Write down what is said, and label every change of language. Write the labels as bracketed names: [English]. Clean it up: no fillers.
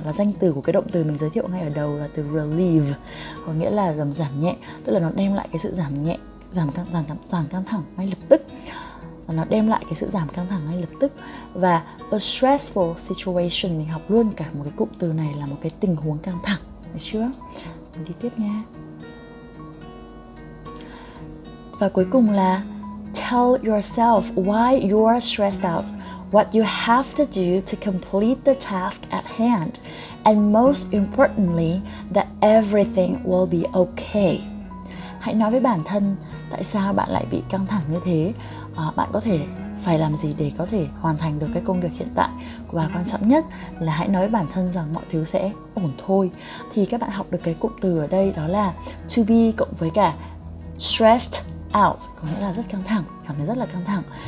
[Vietnamese] Là danh từ của cái động từ mình giới thiệu ngay ở đầu là từ relieve, có nghĩa là giảm nhẹ, tức là nó đem lại cái sự giảm nhẹ, giảm căng thẳng ngay lập tức. Nó đem lại cái sự giảm căng thẳng ngay lập tức. Và [English] a stressful situation, [Vietnamese] mình học luôn cả một cái cụm từ này, là một cái tình huống căng thẳng, được chưa? Mình đi tiếp nha. [English] Và cuối cùng là tell yourself why you're stressed out, what you have to do to complete the task at hand, and most importantly that everything will be okay. [Vietnamese] Hãy nói với bản thân tại sao bạn lại bị căng thẳng như thế. Bạn có thể phải làm gì để có thể hoàn thành được cái công việc hiện tại. Và quan trọng nhất là hãy nói với bản thân rằng mọi thứ sẽ ổn thôi. Thì các bạn học được cái cụm từ ở đây, đó là to be cộng với cả stressed out, có nghĩa là rất căng thẳng, cảm thấy rất là căng thẳng.